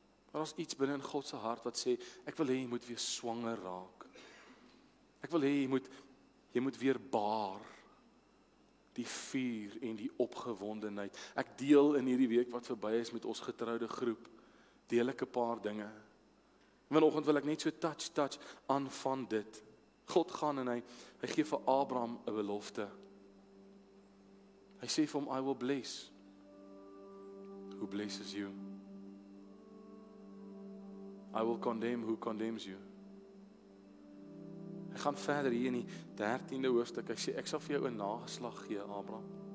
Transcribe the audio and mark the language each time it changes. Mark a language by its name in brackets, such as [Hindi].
[Afrikaans] Maar as iets binnen in Godse hart wat sê, ek wil hê jy moet weer swanger raak. Ek wil hê jy moet weer baar. Die vuur en die opgewondenheid. Ek deel in hierdie week wat verby is met ons getroude groep, deel ek 'n paar dinge. Vanoggend wil ek net so touch aan van dit. God gaan en hy gee vir Abraham 'n belofte. Hy sê vir hom, [English] I will bless. Who blesses you? I will condemn who condemns you. [Afrikaans] Hy gaan verder hier in die 13de hoofstuk, hy sê, ek sal vir jou 'n nageslag gee, Abraham.